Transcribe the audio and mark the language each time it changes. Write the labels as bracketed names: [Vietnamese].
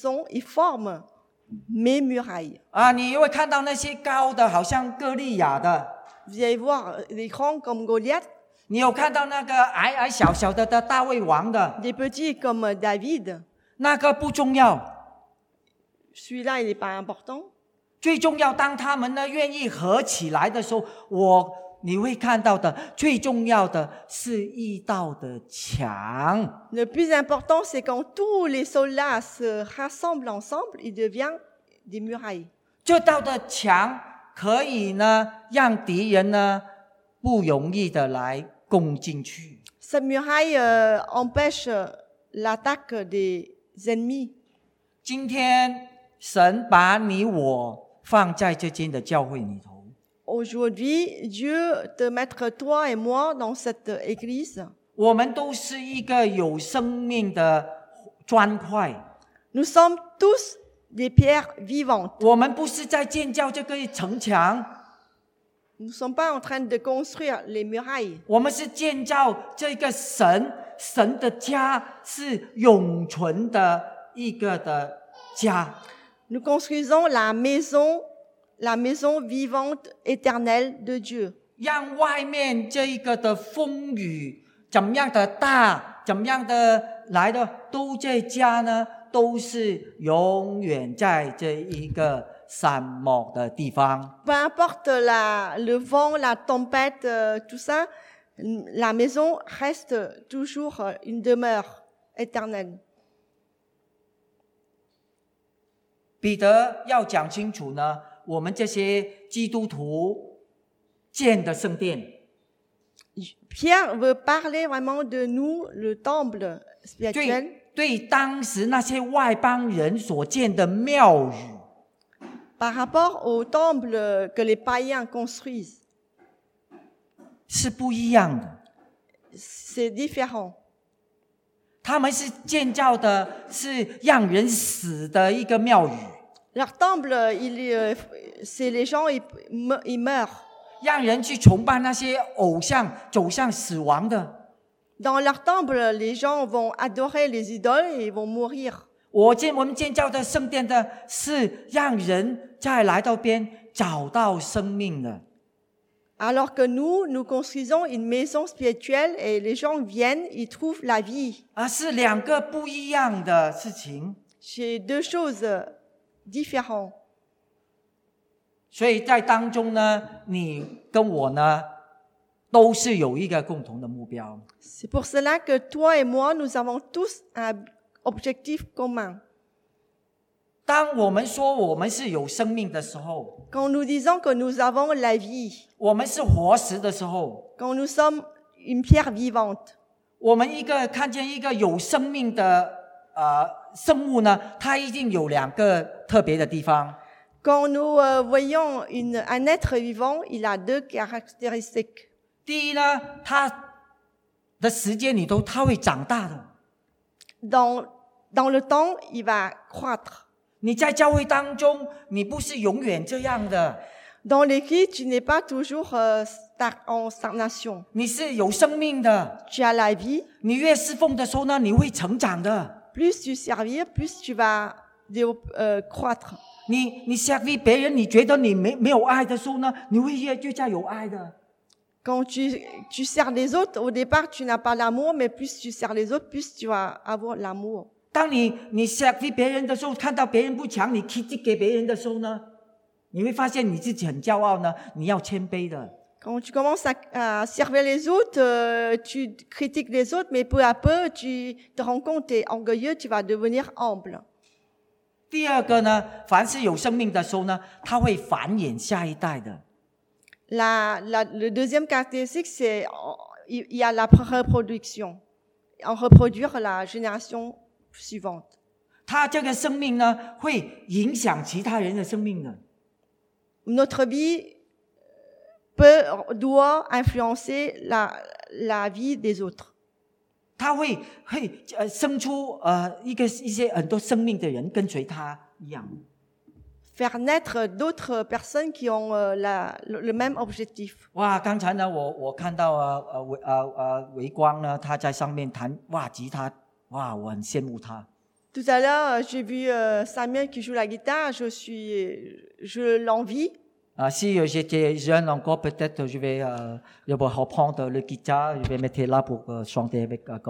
[French] Ils forment mes murailles. [Chinese] 啊，你会看到那些高的，好像哥利亚的。 [French] Vous allez voir les grands comme Goliath. [Chinese] 你有看到那个矮矮小小的大卫王的。 [French] Des petits comme David. [Chinese] 那个不重要。 [French] Celui-là, il est pas important. [Chinese] 最重要，当他们呢愿意合起来的时候，你会看到的最重要的是一道的墙。 [French] Le plus important, c'est quand tous les soldats se rassemblent ensemble, ils deviennent des murailles. [Chinese] 这道的墙可以呢，让敌人呢不容易的来攻进去。 [French] Cette muraille empêche l'attaque des ennemis. [Chinese] 今天神把你我放在这间的教会里头。 [French] Aujourd'hui, Dieu te mettre toi et moi dans cette église. [Chinese] 我们都是一个有生命的砖块。 [French] Nous sommes tous des pierres vivantes. [Chinese] 我们不是在建造这个城墙。 [French] Nous sommes pas en train de construire les murailles. [Chinese] 我们是建造这个神，神的家是永存的一个的家。 [French] Nous construisons la maison vivante éternelle de Dieu. [Chinese] 让外面这一个的风雨怎么样的大，怎么样的来的，都这家呢，都是永远在这一个山漠的地方。 [French] Peu importe le vent, la tempête, tout ça, la maison reste toujours une demeure éternelle. [Chinese] 彼得要讲清楚呢，我们这些基督徒建的圣殿。 [French] Pierre veut parler vraiment de nous, le temple spirituel. [Chinese] 对当时那些外邦人所建的庙宇。 [French] Par rapport au temple que les païens construisent, [Chinese] 是不一样的。 [French] C'est différent. [Chinese] 他们是建造的是让人死的一个庙宇。 [French] Leur temple, c'est les gens ils meurent. [Chinese] 让人去崇拜那些偶像，走向死亡的。 [French] Dans leur temple, les gens vont adorer les idoles et vont mourir. [Chinese] 我们建造的圣殿的是让人再来到边找到生命的。 [French] Alors que nous construisons une maison spirituelle et les gens viennent, ils trouvent la vie. [Chinese] 是两个不一样的事情。 [French] C'est deux choses différentes. [Chinese] 所以在当中呢，你跟我呢，都是有一个共同的目标。 [French] C'est pour cela que toi et moi, nous avons tous un objectif commun. [Chinese] 当我们说我们是有生命的时候， [French] Quand nous disons que nous avons la vie, [Chinese] 我们是活石的时候， [French] Quand nous sommes une pierre vivante, [Chinese] 我们一个看见一个有生命的生物呢，它一定有两个特别的地方。 [French] Quand nous voyons un être vivant, il a deux caractéristiques. [Chinese] 第一呢，它的时间里头它会长大的。 [French] Dans le temps, il va croître. [Chinese] 你在教会当中，你不是永远这样的。 [French] Dans l'église, tu n'es pas toujours en stagnation. [Chinese] 你是有生命的。 [French] Tu as la vie. [Chinese] 你越侍奉的时候呢，你会成长的。 [French] Plus tu servis, plus tu vas croître. [Chinese] 你 servis 别人，你觉得你没有爱的时候呢，你会越加有爱的。 [French] Quand tu sers les autres, au départ, tu n'as pas l'amour, mais plus tu sers les autres, plus tu vas avoir l'amour. [Chinese] 当你 servis 别人的时候，看到别人不强，你 kick 给别人的时候呢，你会发现你自己很骄傲呢，你要谦卑的。 [French] Quand tu commences à servir les autres, tu critiques les autres, mais peu à peu, tu te rends compte que tu es orgueilleux, tu vas devenir humble. [Chinese] 第二个呢，凡是有生命的时候呢，他会繁衍下一代的。 [French] Le deuxième caractéristique, c'est il y a la reproduction. En reproduire la génération suivante. [Chinese] 他这个生命呢，会影响其他人的生命的。 [French] Notre vie peut, doit influencer la vie des autres. [Chinese] 他会生出一些很多生命的人跟随他一样。 [French] Faire naître d'autres personnes qui ont le même objectif. [Chinese] 哇，刚才呢，我看到维光呢，他在上面弹哇吉他，哇，我很羡慕他。 [French] Tout à l'heure, j'ai vu Samuel qui joue la guitare, je l'envie. Si j'étais jeune encore, peut-être je vais reprendre le guitare, je vais mettre là pour chanter avec